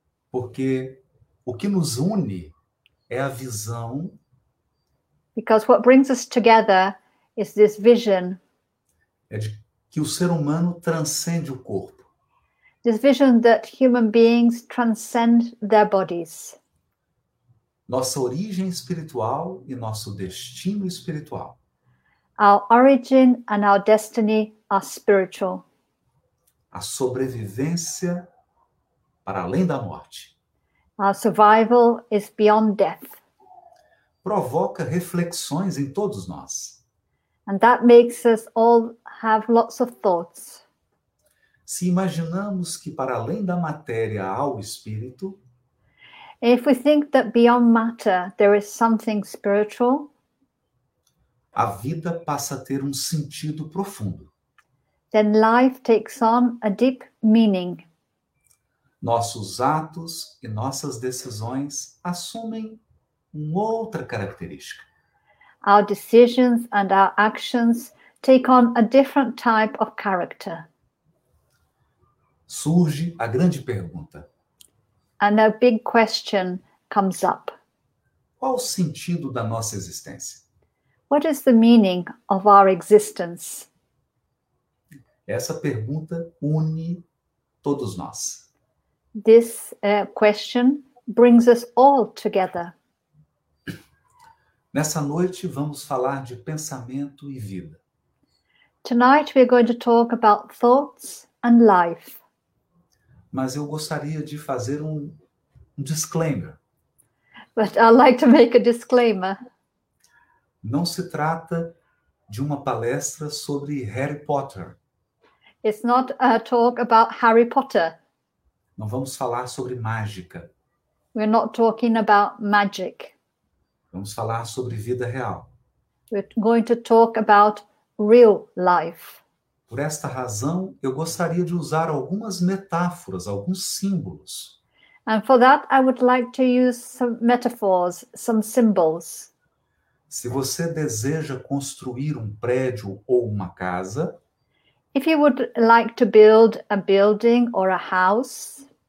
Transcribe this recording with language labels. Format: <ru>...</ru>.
<pt>Porque o que nos une é a visão.</pt> <en>Because what brings us together is this vision.</en> <pt>É de que o ser humano transcende o corpo.</pt> <en>This vision that human beings transcend their bodies.</en> <pt>Nossa origem espiritual e nosso destino espiritual.</pt> <en>Our origin and our destiny are spiritual.</en> <pt>A sobrevivência para além da morte.</pt> <en>Our survival is beyond death.</en> <pt>Provoca reflexões em todos nós.</pt> <en>And that makes us all have lots of thoughts.</en> <pt>Se imaginamos que para além da matéria há o espírito,</pt> <en>if we think that beyond matter there is something spiritual,</en> <pt>a vida passa a ter um sentido profundo.</pt> <en>Then life takes on a deep meaning.</en> <pt>Nossos atos e nossas decisões assumem uma outra característica.</pt> <en>Our decisions and our actions take on a different type of character.</en> <pt>Surge a grande pergunta.</pt> <en>And a big question comes up.</en> <pt>Qual o sentido da nossa existência?</pt> <en>What is the meaning of our existence?</en> <pt>Essa pergunta une todos nós.</pt> <en>This question brings us all together.</en> <pt>Nessa noite vamos falar de pensamento e vida.</pt> <en>Tonight we are going to talk about thoughts and life.</en> <pt>Mas eu gostaria de fazer um disclaimer.</pt> <en>But I'd like to make a disclaimer.</en> <pt>Não se trata de uma palestra sobre Harry Potter.</pt> <en>It's not a talk about Harry Potter.</en> <pt>Não vamos falar sobre mágica.</pt> <en>We're not talking about magic.</en> <pt>Vamos falar sobre vida real.</pt> <en>We're going to talk about real life.</en> <pt>Por esta razão, eu gostaria de usar algumas metáforas, alguns símbolos.</pt> <en>And for that, I would like to use some metaphors, some symbols.</en> <pt>Se você deseja construir um prédio ou uma casa,</pt> <en>if you would like to build a building or a house,</en>